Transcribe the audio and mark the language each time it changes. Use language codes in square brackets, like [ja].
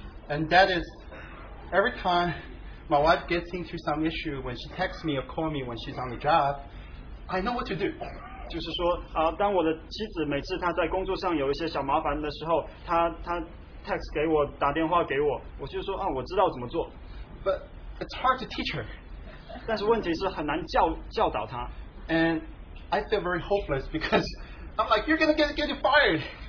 [en] And that is, every time my wife gets into some issue, when she texts me or calls me when she's on the job, I know what to do. [zh] 就是说，当我的妻子每次她在工作上有一些小麻烦的时候，她 text 给我，打电话给我，我就说啊，我知道怎么做。 [en] But it's hard to teach her. [zh] 但是问题是很难教导她。 [en] And I feel very hopeless because I'm like, you're going to get fired.